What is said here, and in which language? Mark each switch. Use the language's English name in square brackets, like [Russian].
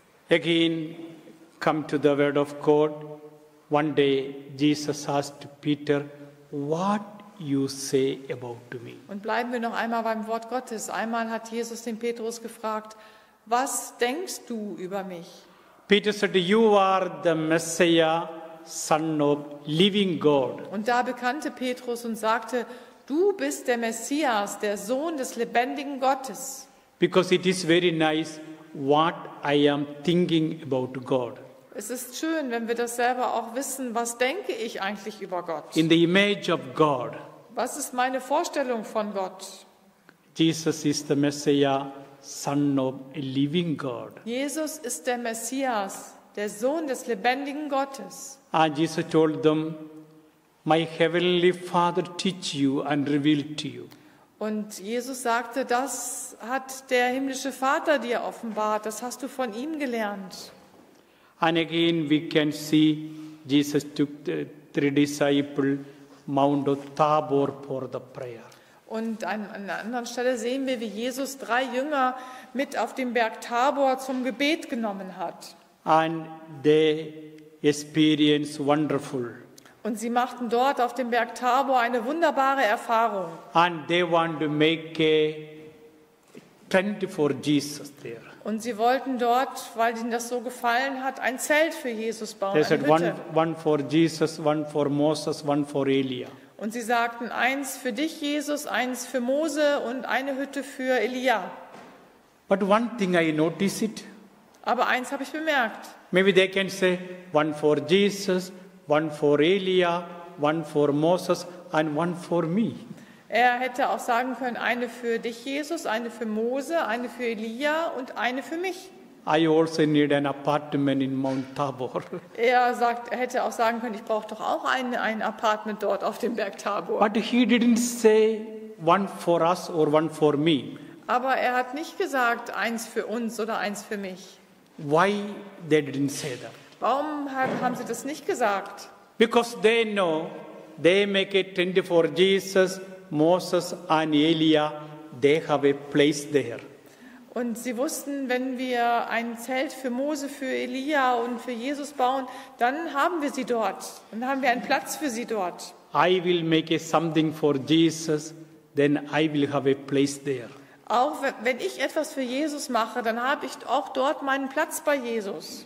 [English] Again, come to the word of God. One day Jesus asked Peter, what you say about me? [German] Und bleiben wir noch einmal beim Wort Gottes. Einmal hat Jesus den Petrus gefragt, was denkst du über mich? [English] Peter said, you are the Messiah, Son of living God. [German] Und da bekannte Petrus und sagte, du bist der Messias, der Sohn des lebendigen Gottes. [English] Because it is very nice what I am thinking about God. [German] Es ist schön, wenn wir das selber auch wissen, was denke ich eigentlich über Gott? [English] In the image of God. [German] Was ist meine Vorstellung von Gott? [English] Jesus is the Messiah, Son of a living God. [German] Jesus ist der Messias, der Sohn des lebendigen Gottes. [English] And Jesus told them, my heavenly Father teach you and reveal to you. [German] Und Jesus sagte, das hat der himmlische Vater dir offenbart, das hast du von ihm gelernt. [English] And again we can see Jesus took the 3 disciples Mount of Tabor for the prayer. [German] Und an einer anderen Stelle sehen wir, wie Jesus 3 Jünger mit auf den Berg Tabor zum Gebet genommen hat. [English] And they experienced wonderful. [German] Und sie machten dort auf dem Berg Tabor eine wunderbare Erfahrung. [English] And they want to make a tent for Jesus there. [German] Und sie wollten dort, weil ihnen das so gefallen hat, ein Zelt für Jesus bauen. [English] They said, one for Jesus, one for Moses, one for Elia. [German] Und sie sagten, eins für dich, Jesus, eins für Mose und eine Hütte für Elia. [English] But one thing I noticed it. [German] Aber eins habe ich bemerkt. [English] Maybe they can say, one for Jesus, one for Elia, one for Moses and one for me. [German] Er hätte auch sagen können, eine für dich, Jesus, eine für Mose, eine für Elia und eine für mich. [English] I also need an apartment in Mount Tabor. [German] Er sagt, er hätte auch sagen können, ich brauche doch auch ein Apartment dort auf dem Berg Tabor. [English] But he didn't say one for us or one for me. [German] Aber er hat nicht gesagt, eins für uns oder eins für mich. [English] Why they didn't say that? [German] Warum haben sie das nicht gesagt? [English] Because they know they make a tent for Jesus, Moses and Elia, they have a place there. [German] Und sie wussten, wenn wir ein Zelt für Mose, für Elia und für Jesus bauen, dann haben wir sie dort. Dann haben wir einen Platz für sie dort. [English] I will make a something for Jesus, then I will have a place there. [German] Auch wenn ich etwas für Jesus mache, dann habe ich auch dort meinen Platz bei Jesus.